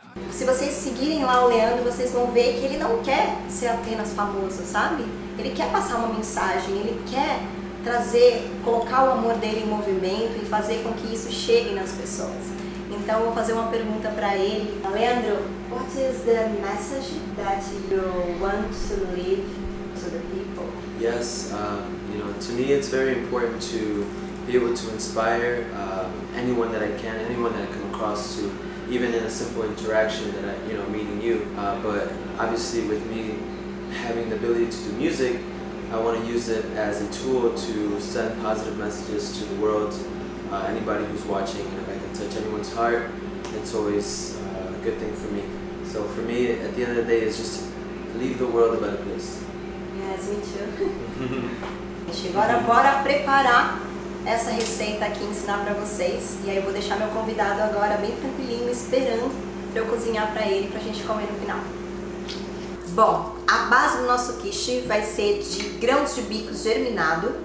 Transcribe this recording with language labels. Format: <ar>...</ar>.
<pt>Se vocês seguirem lá o Leandro, vocês vão ver que ele não quer ser apenas famoso, sabe? Ele quer passar uma mensagem, ele quer trazer, colocar o amor dele em movimento e fazer com que isso chegue nas pessoas. Então eu vou fazer uma pergunta para ele.</pt> <en>Leandro, what is the message that you want to leave to the people? Yes, you know, to me it's very important to be able to inspire anyone that I can, anyone that I come across to. Even in a simple interaction that I, you know, meeting you. But obviously with me having the ability to do music, I want to use it as a tool to send positive messages to the world. Anybody who's watching, and if I can touch anyone's heart, it's always a good thing for me. So for me, at the end of the day, it's just leave the world a better place. Yes, me too.</en> <pt>Agora bora preparar essa receita aqui, ensinar pra vocês. E aí eu vou deixar meu convidado agora bem tranquilinho, esperando pra eu cozinhar pra ele, pra gente comer no final. Bom, a base do nosso quiche vai ser de grãos de bico germinado.</pt>